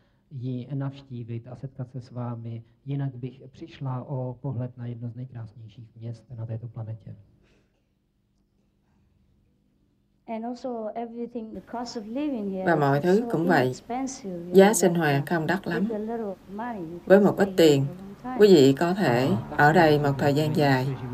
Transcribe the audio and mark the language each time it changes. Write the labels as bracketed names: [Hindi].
[Czech] Ji navštívit a setkat se s vámi, jinak bych přišla o pohled na jedno z nejkrásnějších měst na této planetě. [English] And also everything, the cost of living here. [Vietnamese] Và mọi thứ cũng [English] so [Vietnamese] vậy. Giá sinh hoạt không đắt lắm. [English] Money, [Vietnamese] với một ít tiền, quý vị có thể ở đây một thời gian dài.